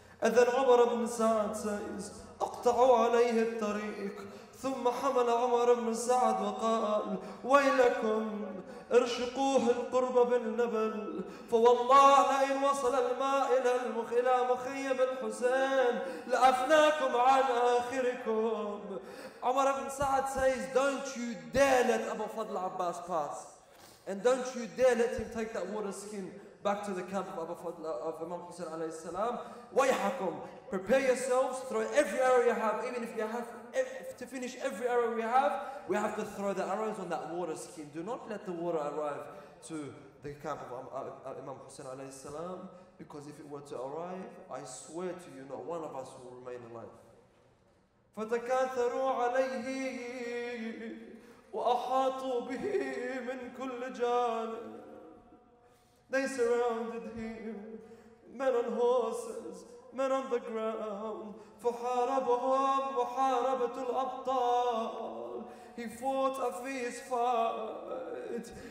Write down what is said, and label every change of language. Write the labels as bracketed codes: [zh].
[en] And then Umar ibn Sa'd says, [ar] أقطعوا عليه الطريق. ثم حمل عمر بن سعد وقال ويلكم ارشقوه القرب بالنبل فوالله لئن وصل الماء إلى مخيم الحسين لأفناكم عن آخركم. [en] عمر بن سعد says, don't you dare let Abu Fadl Abbas pass, and don't you dare let him take that water skin back to the camp of Abu Fadl of Imam Hussein alayhi salam. Wayhakum, prepare yourselves, throw every arrow you have, even if you have to finish every arrow we have to throw the arrows on that water skin. Do not let the water arrive to the camp of Imam Hussein alayhi salam, because if it were to arrive, I swear to you, not one of us will remain alive. [ar] Fatakatharu alayhi wa ahatu bihi min kulli janib. [en] They surrounded him, men on horses, men on the ground. [ar] فحاربهم محاربة الأبطال. [en] He fought a fierce fight.